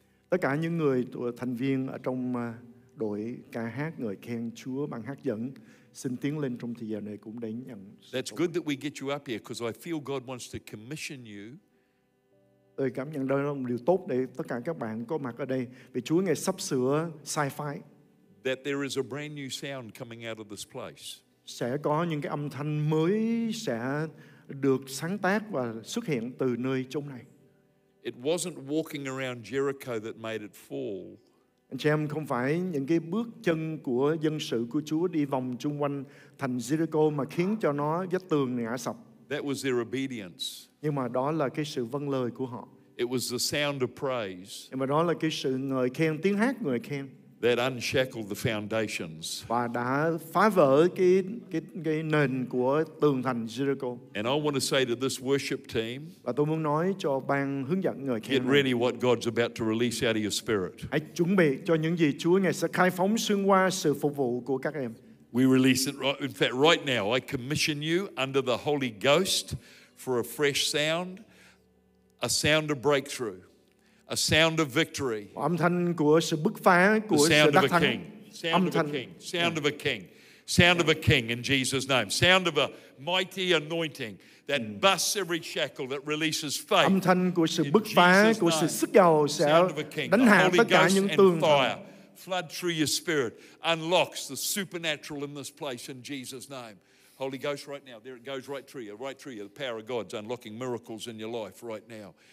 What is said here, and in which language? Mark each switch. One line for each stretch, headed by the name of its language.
Vietnamese: Tất cả những người thành viên ở trong đội ca hát người khen Chúa bằng hát dẫn xin tiến lên trong thời gian này cũng đến nhận.
English: That's good that we get you up here because I feel God wants to commission you
Vietnamese: Tôi cảm nhận đó là một điều tốt để tất cả các bạn có mặt ở đây. Vì Chúa ngài sắp sửa sai phái.
English: That there is a brand new sound coming out of this place.
Vietnamese: Sẽ có những cái âm thanh mới sẽ được sáng tác và xuất hiện từ nơi chốn này.
English: It wasn't walking around Jericho that made it fall.
Vietnamese: Anh chị em, không phải những cái bước chân của dân sự của Chúa đi vòng chung quanh thành Jericho mà khiến cho nó vách tường ngã sập.
English: That was their obedience.
Vietnamese: Nhưng mà đó là cái sự vâng lời của họ.
English: It was the sound of praise.
Vietnamese: Nhưng mà đó là cái sự ngợi khen, tiếng hát ngợi khen.
English: That unshackled the foundations.
Vietnamese: Và đã phá vỡ cái nền của tường thành Jericho.
English: And I want to say to this worship team.
Vietnamese: Và tôi muốn nói cho ban hướng dẫn người khen.
English: Get ready what God's about to release out of your spirit.
Vietnamese: Hãy chuẩn bị cho những gì Chúa ngài sẽ khai phóng xuyên qua sự phục vụ của các em.
English: We release it right. In fact, right now, I commission you under the Holy Ghost for a fresh sound, a sound of breakthrough. A sound of victory.
Vietnamese: Âm thanh của sự bứt phá của sự đắc thắng.
English: Sound of a king. Sound of a king. Sound of a king in Jesus' name. Sound of a mighty anointing that busts every shackle, that releases faith.
Vietnamese: Âm thanh của sự bứt phá của sự sức giàu sẽ đánh hạ tất cả những tường thành.
English: Flood through your spirit, unlocks the supernatural in this place in Jesus' name. Holy Ghost, right now, there it goes right through you, the power of God's unlocking miracles in your life right now.